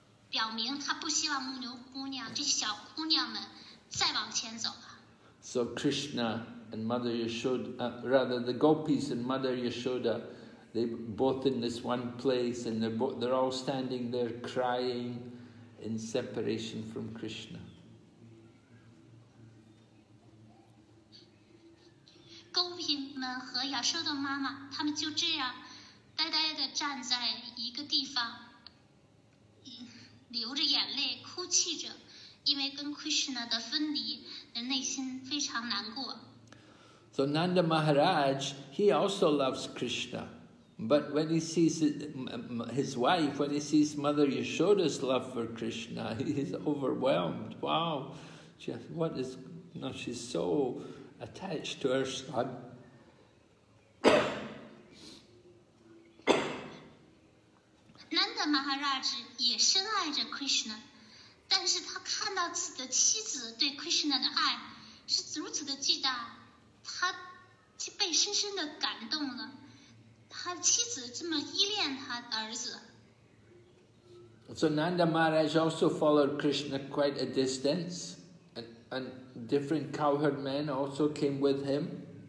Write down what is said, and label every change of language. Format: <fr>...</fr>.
<zh>表明他不希望牧牛姑娘这些小姑娘们再往前走了。</zh> <en>So Krishna and Mother Yashoda, rather the gopis and Mother Yashoda, they both in this one place, and they're all standing there crying in separation from Krishna.</en> <zh>Gopi 们和亚修的妈妈，他们就这样呆呆地站在一个地方。流着眼泪哭泣着，因为跟 Krishna 的分离，内心非常难过。</zh> <en>So Nanda Maharaj, he also loves Krishna, but when he sees his wife, when he sees Mother Yashoda's love for Krishna, he is overwhelmed. Wow, she's so attached to her son.</en> <zh>Nanda Maharaj 也深爱着 Krishna， 但是他看到自己的妻子对 Krishna 的爱是如此的巨大，他被深深的感动了。他妻子这么依恋他儿子。</zh> <en>So Nanda Maharaj also followed Krishna quite a distance, and different cowherd men also came with him.</en>